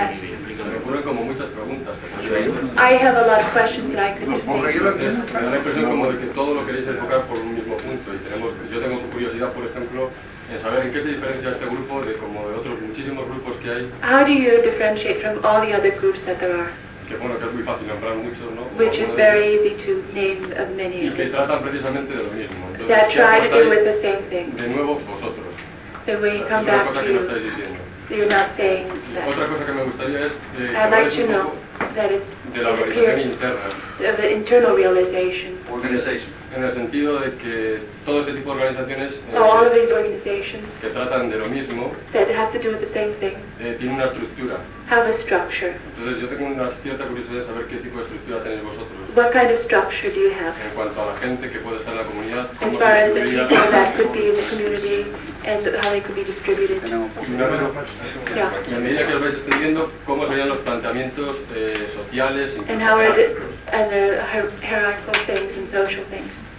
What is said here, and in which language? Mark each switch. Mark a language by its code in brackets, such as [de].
[en] I have a lot of questions that I could [es] Me da la impresión como de que todo lo queréis enfocar por un mismo punto y yo tengo curiosidad, por ejemplo, en saber en qué se diferencia este grupo de como de otros muchísimos grupos que hay. [en] How do you differentiate from all the other groups that there are? [es] Que bueno, que es muy fácil nombrar muchos, ¿no? [en] Which is very easy to name of many. [es] Y que tratan precisamente de lo mismo. Entonces, [en] that try to do with the same thing. [es] De nuevo vosotros. [en] Then we come back to you. [es] Cosa que no estáis diciendo. [en] You're not saying that. [es] Otra cosa que me gustaría es [en] I'd like to know that it [es] de la [en] of the internal realization. Organization. [es] En el sentido de que todo este tipo de organizaciones [en] all of these organizations [es] que tratan de lo mismo [en] that have to do with the same thing [es] tienen una estructura. [en] Have a structure. [es] Entonces yo tengo una cierta curiosidad de saber qué tipo de estructura tenéis vosotros. [en] What kind of structure do you have? [es] En cuanto a la gente que puede estar en la comunidad [en] as far as the people that could be in the community and how they could be distributed. [es] Y a medida que os vais extendiendo, ¿cómo serían los planteamientos sociales? [en] And how are the hierarchical things and social things.